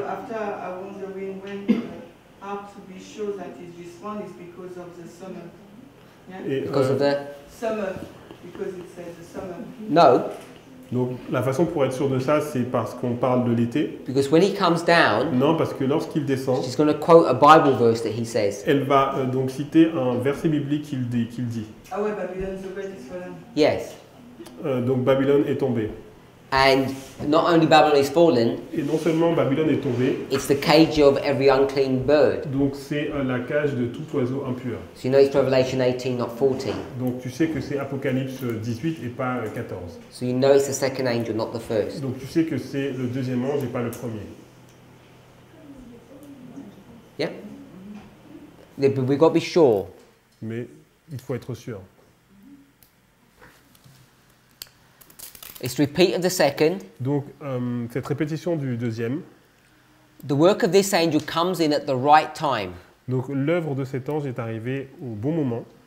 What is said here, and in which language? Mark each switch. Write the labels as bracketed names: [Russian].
[English] After I wonder when how to be sure that it's this one is because of the summer. Yeah. Because of the summer. Because it says the summer. No. [French] Donc, la façon pour être sûr de ça, c'est parce qu'on parle de l'été. [English] Because when he comes down, [French] non, parce que lorsqu'il descend, [English] she's going to quote a Bible verse that he says. [French] Elle va donc citer un verset biblique qu'il dit. Ah ouais, [English] Babylon is fallen. Yes. [French] Donc, Babylone est tombée. [English] And not only Babylon is fallen, [French] et non seulement Babylone est tombée, [English] it's the cage of every unclean bird. [French] Donc, c'est la cage de tout oiseau impur. [English] So you know it's Revelation 18, not 14. [French] Donc, tu sais que c'est Apocalypse 18 et pas 14. [English] So you know it's the second angel, not the first. [French] Donc, tu sais que c'est le deuxième ange et pas le premier. [English] Yeah. But we've got to be sure. [French] Mais il faut être sûr. [English] It's repeat of the second. [French] Donc cette répétition du deuxième. [English] The work of this angel comes in at the right time. [French] Donc l'œuvre de cet ange est arrivée au bon moment.